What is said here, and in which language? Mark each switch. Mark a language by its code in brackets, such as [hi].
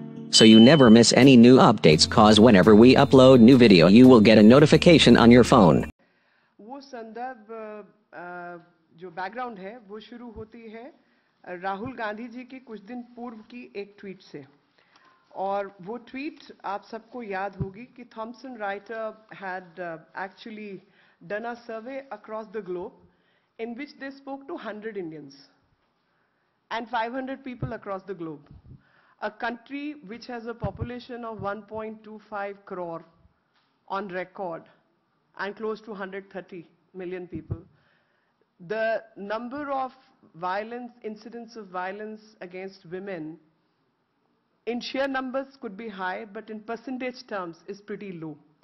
[en] So you never miss any new updates, cause whenever we upload new video you will get a notification on your phone. [hi] वो संदर्भ जो background है वो शुरू होती है राहुल गांधी जी की कुछ दिन पूर्व की एक ट्वीट से. और वो ट्वीट आप सबको याद होगी कि [en] Thomson Reuters had actually done a survey across the globe in which they spoke to 100 Indians and 500 people across the globe. A country which has a population of 1.25 crore on record and close to 130 million people. The number of violence, incidents of violence against women in sheer numbers could be high, but in percentage terms is pretty low.